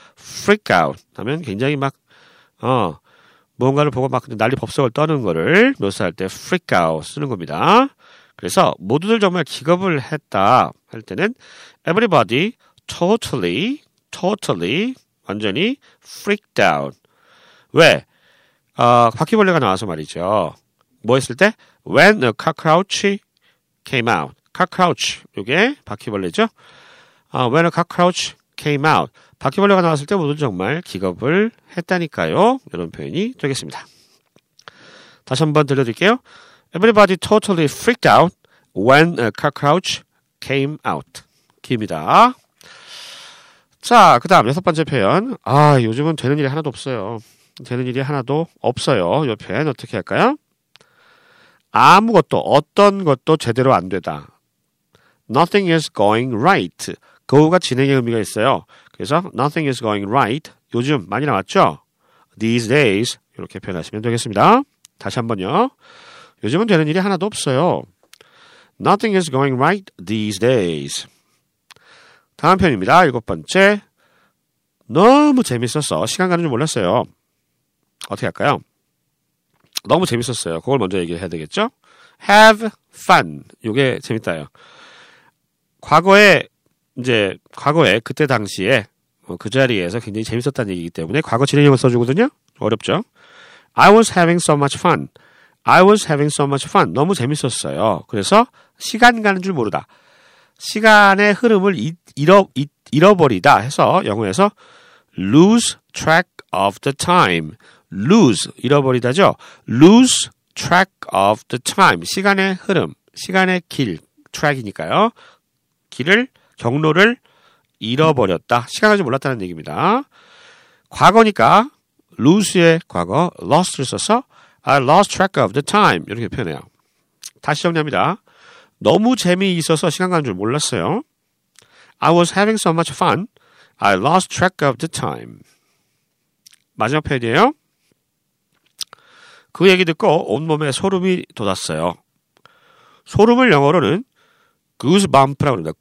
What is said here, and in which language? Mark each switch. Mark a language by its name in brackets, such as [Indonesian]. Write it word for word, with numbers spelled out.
[Korean] freak out 하면 굉장히 막 어, 뭔가를 보고 막 난리 법석을 떠는 거를 묘사할 때 freak out 쓰는 겁니다. 그래서 모두들 정말 기겁을 했다 할 때는 [English] everybody totally, totally [Korean] 완전히 [English] freaked out. [Korean] 왜? 어, 바퀴벌레가 나와서 말이죠. 뭐 했을 때? [English] When a cockroach came out. [Korean] cockroach, 이게 바퀴벌레죠. [English] 어, when a cockroach came out. [Korean] 바퀴벌레가 나왔을 때 모두 정말 기겁을 했다니까요. 이런 표현이 되겠습니다. 다시 한번 들려드릴게요. [English] Everybody totally freaked out when a cockroach came out. [Korean] 기입니다. 자, 그 다음 여섯 번째 표현. 아, 요즘은 되는 일이 하나도 없어요. 되는 일이 하나도 없어요. 이 표현 어떻게 할까요? 아무것도, 어떤 것도 제대로 안 되다. [English] Nothing is going right. [Korean] go가 진행의 의미가 있어요. 그래서 [English] nothing is going right. [Korean] 요즘 많이 나왔죠? [English] These days. [Korean] 이렇게 표현하시면 되겠습니다. 다시 한번요. 요즘은 되는 일이 하나도 없어요. [English] Nothing is going right these days. [Korean] 다음 편입니다. 일곱 번째. 너무 재밌었어. 시간 가는 줄 몰랐어요. 어떻게 할까요? 너무 재밌었어요. 그걸 먼저 얘기를 해야 되겠죠? [English] Have fun. [Korean] 이게 재밌다요. 과거에, 이제, 과거에, 그때 당시에, 그 자리에서 굉장히 재밌었다는 얘기이기 때문에 과거 진행형을 써주거든요? 어렵죠? [English] I was having so much fun. I was having so much fun. [Korean] 너무 재밌었어요. 그래서 시간 가는 줄 모르다. 시간의 흐름을 잊, 잃어, 잊, 잃어버리다 해서 영어에서 [English] lose track of the time. [Korean] lose, 잃어버리다죠. [English] lose track of the time. [Korean] 시간의 흐름, 시간의 길, track이니까요. 길을, 경로를 잃어버렸다. 시간을 좀 몰랐다는 얘기입니다. 과거니까 [English] lose의 과거, lost를 [Korean] 써서 [English] I lost track of the time. [Korean] 이렇게 표현해요. 다시 정리합니다. 너무 재미있어서 시간 가는 줄 몰랐어요. [English] I was having so much fun. I lost track of the time. [Korean] 마지막 표현이에요. 그 얘기 듣고 온몸에 소름이 돋았어요. 소름을 영어로는 goosebump라고 합니다.